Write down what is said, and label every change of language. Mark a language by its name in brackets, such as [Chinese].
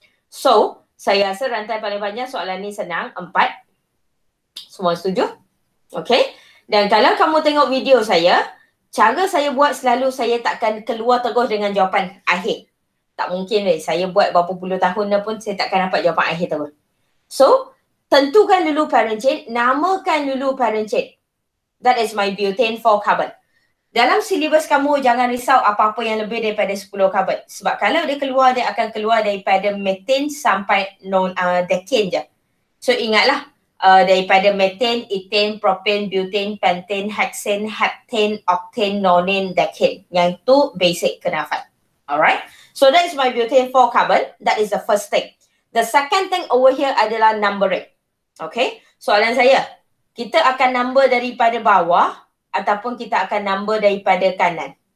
[Malay] So, saya rasa rantai paling panjang soalan ni senang, 4. Semua setuju? Okay, dan kalau kamu tengok video saya, cara saya buat selalu saya takkan keluar terus dengan jawapan akhir. Tak mungkin leh. Saya buat berapa puluh tahun dah pun saya takkan dapat jawapan akhir terus. So, tentukan dulu parent chain, namakan dulu parent chain. [English] That is my butane for carbon. [Malay] Dalam silibus kamu jangan risau apa-apa yang lebih daripada 10 carbon. Sebab kalau dia keluar, dia akan keluar daripada methane sampai decane je. So ingatlah, daripada methane, ethane, propane, butane, pentane, hexane, heptane, octane, nonane, decane. Yang tu basic kenafat. Alright? [English] So that is my butane for carbon. That is the first thing. The second thing over here adalah numbering. Okay? [Malay] Soalan saya, kita akan number daripada bawah ataupun kita akan number daripada kanan.